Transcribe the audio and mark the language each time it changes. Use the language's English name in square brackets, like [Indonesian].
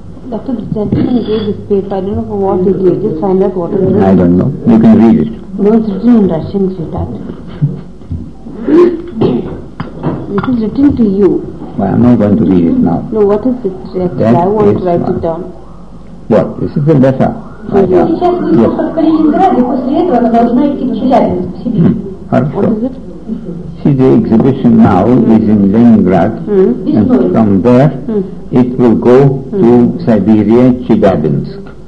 [English] Doctor Jackson gave this paper. I don't know what he gave. Just find out what it is. I don't know. You can read it. No, it's written in Russian, sweetheart. This is written to you. Well, I'm not going to read it now. No, what is it? Yes, I won't write it down. What? This is a letter. [Russian] Сейчас в Калининграде, после этого она должна идти в Челябинск, в Сибирь. [English] What is it? See, the exhibition now is in Leningrad, and from there it will go to Siberia, Chelyabinsk.